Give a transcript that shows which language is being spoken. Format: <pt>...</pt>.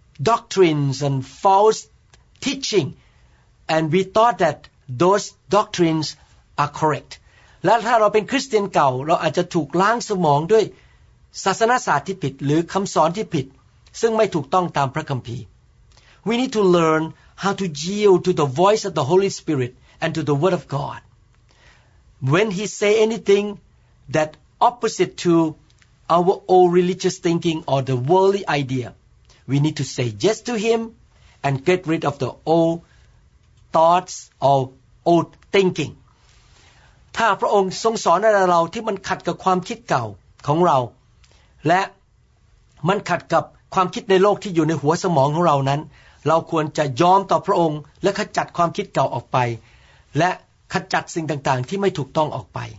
<en>doctrines and false teaching and we thought that those doctrines are correct</en> <th>และถ้าเราเป็นคริสเตียนเก่าเราอาจจะถูกล้างสมองด้วยศาสนศาสตร์ที่ผิดหรือคำสอนที่ผิดซึ่งไม่ถูกต้องตามพระคัมภีร์</th> <en>We need to learn how to yield to the voice of the Holy Spirit and to the Word of God. When He say anything that opposite to our old religious thinking or the worldly idea, we need to say yes to Him and get rid of the old thoughts or old thinking.</en> <th>ถ้าพระองค์ทรงสอนอะไรเราที่มันขัดกับความคิดเก่าของเราและมันขัดกับความคิดในโลกที่อยู่ในหัวสมองของเรานั้นเราควรจะยอมต่อพระองค์และขจัดความคิดเก่าออกไปและขจัดสิ่งต่างๆที่ไม่ถูกต้องออกไป</th>